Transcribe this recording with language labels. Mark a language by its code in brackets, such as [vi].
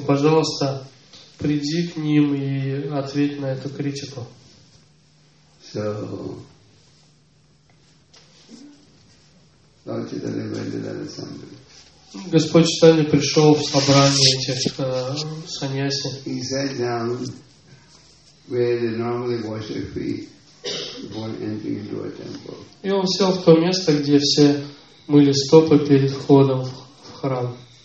[ru] Пожалуйста, приди к ним и ответь на эту критику. [en] So, Lord Chaitanya went to that assembly. [ru] Господь Чайтанья пришел в собрание этих саньяси. [en] He sat down where they normally wash their feet before entering into a temple. [ru] И он сел в то место, где все мыли стопы перед входом в храм.